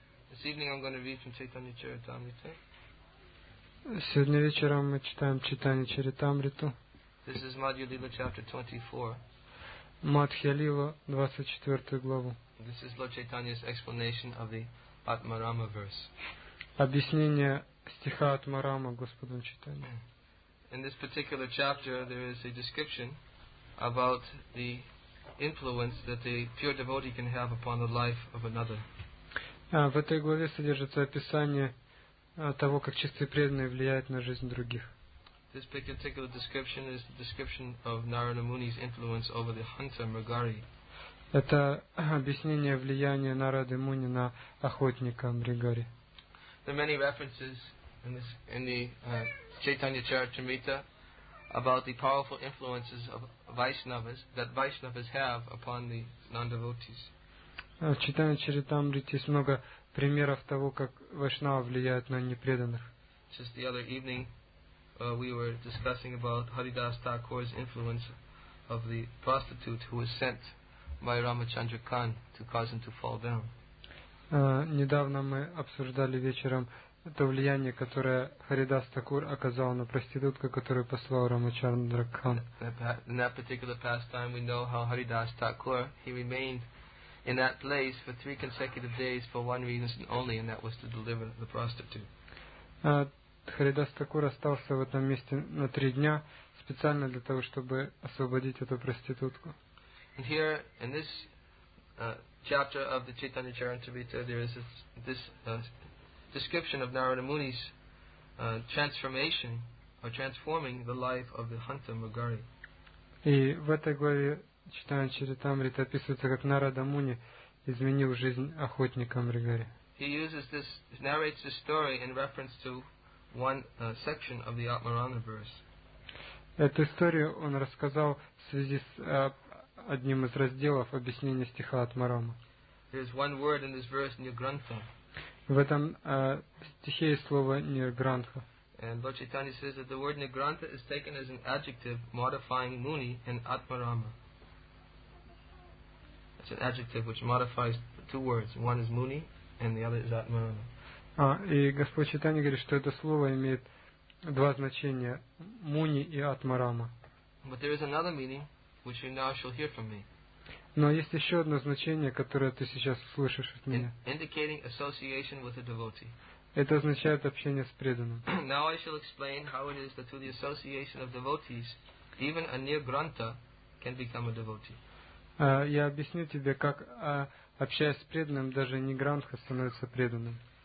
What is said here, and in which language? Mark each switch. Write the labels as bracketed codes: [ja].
[en] This evening I'm going to read from Chaitanya Charitamrita. [ru] Сегодня вечером мы читаем Чайтанья Чаритамриту. [en] This is Madhya Lila chapter 24. [ru] Madhya Lila 24 главу. [en] This is Lord Chaitanya's explanation of the Atmarama verse. [ru] Объяснение стиха Атмарама Господом Чайтанья. [en] In this particular chapter there is a description about the influence that a pure devotee can have upon the life of another. [ru] В этой главе содержится описание того, как чистые преданные влияют на жизнь других. [en] This particular description is the description of Narada Muni's influence over the hunter Mrigari. [ru] Это объяснение влияния Нарады Муни на охотника Мригари. [en] There are many references in the Chaitanya Charitamrita about the powerful influences of Vaishnavas that Vaishnavas have upon the non-devotees. [ru] В Чайтанья Чаритамрите есть много примеров того, как вайшнава влияет на непреданных. [en] Just the other evening, we were discussing about Haridas Thakur's influence of the prostitute who was sent by Ramachandra Khan to cause him to fall down. [ru] Недавно мы обсуждали вечером это влияние, которое Харидас Такур оказал на проститутку, которую послал Рамачандра Кан. [en] In that particular pastime, we know how Haridas Thakur, he remained in that place for 3 consecutive days for one reason only, and that was to deliver the prostitute. [ru] Харидас Такур остался в этом месте на 3 дня специально для того, чтобы освободить эту проститутку. [en] And here in this chapter of the Chaitanya Charitamrita there is this description of Narada Muni's transforming the life of the hunter Mrigari. [ru] И в этой главе Чайтанья Чаритамрита описывается, как Нарада Муни изменил жизнь охотника Мригари. [en] He uses this, narrates this story in reference to one section of the Atmarama verse. [ru] Эту историю он рассказал в связи с одним из разделов объяснения стиха Атмарама. [en] There is one word in this verse, Nirgrantha. [ru] В этом стихе есть слово Nirgrantha. [en] And Lord Chaitanya says that the word Nirgrantha is taken as an adjective modifying Muni in Atmarama. It's an adjective which modifies two words. One is Muni, and the other is Atmarama. [ru] И Господь Чайтанья говорит, что это слово имеет два значения: Муни и Атмарама. [en] But there is another meaning which you now shall hear from me. [ru] Но есть еще одно значение, которое ты сейчас услышишь от меня. [en] Indicating association with a devotee. [ru] Это означает общение с преданным. [en] Now I shall explain how it is that through the association of devotees, even a Nirgrantha can become a devotee. [ru] Я объясню тебе, как, общаясь с преданным, даже Нигрантха становится преданным.